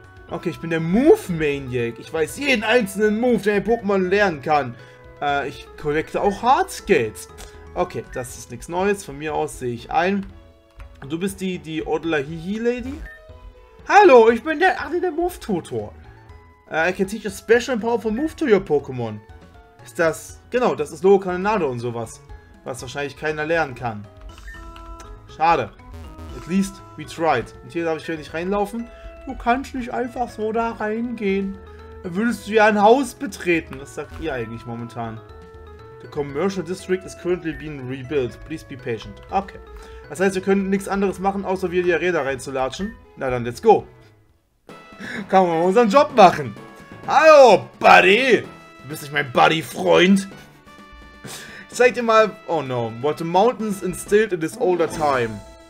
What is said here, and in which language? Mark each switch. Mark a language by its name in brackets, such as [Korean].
[German] Okay, ich bin der Move Maniac. Ich weiß jeden einzelnen Move, den ein Pokémon lernen kann. Ich collecte auch Hardscales. Okay, das ist nichts Neues. Von mir aus sehe ich ein. Du bist die Odla Hihi Lady? Hallo, ich bin der Move Tutor. [English] I can teach a special and powerful move to your Pokémon. [German] Ist das. Genau, das ist Lokanonado und sowas. Was wahrscheinlich keiner lernen kann. Schade. [English] At least we tried. [German] Und hier darf ich hier nicht reinlaufen. Du kannst nicht einfach so da reingehen. Würdest du ja ein Haus betreten. Was sagt ihr eigentlich momentan? [English] The Commercial District is currently being rebuilt. Please be patient. Okay. [German] Das heißt, wir können nichts anderes machen, außer wir die Arena reinzulatschen. Na dann, [English] let's go. [German] Kann man unseren Job machen. Hallo, Buddy. Du bist nicht mein Buddy-Freund. Ich zeig dir mal... Oh no. [English] What the mountains instilled in this older time.